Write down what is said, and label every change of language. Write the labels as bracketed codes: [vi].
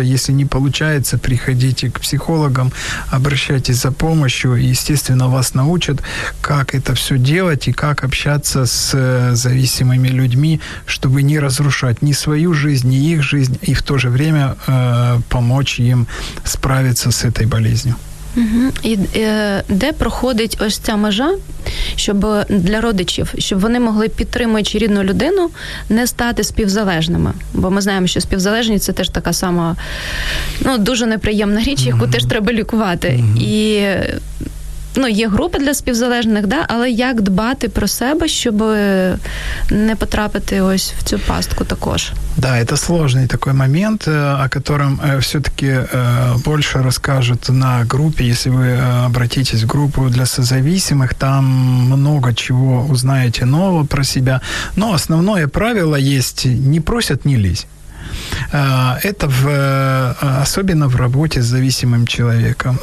[ru] Если не получается, приходите к психологам, обращайтесь за помощью. Естественно, вас научат, как это все делать и как общаться с зависимыми людьми, чтобы не разрушать ни свою жизнь, не их жизнь, и в то же время помочь им справиться с этой болезнью. Угу. [uk] І де проходить ось ця межа, щоб для родичів, щоб вони могли, підтримуючи рідну людину, не стати співзалежними? Бо ми знаємо, що співзалежність – це теж така сама, ну, дуже неприємна річ, яку теж треба лікувати. І ну, є групи для співзалежних, да? Але як дбати про себе, щоб не потрапити ось в цю пастку також? [ru] Да, это сложный такой момент, о котором все-таки больше расскажут на группе. Если вы обратитесь в группу для созависимых, там много чего узнаете нового про себя. Но основное правило есть – не просят – не лезь. Это особенно в работе с зависимым человеком.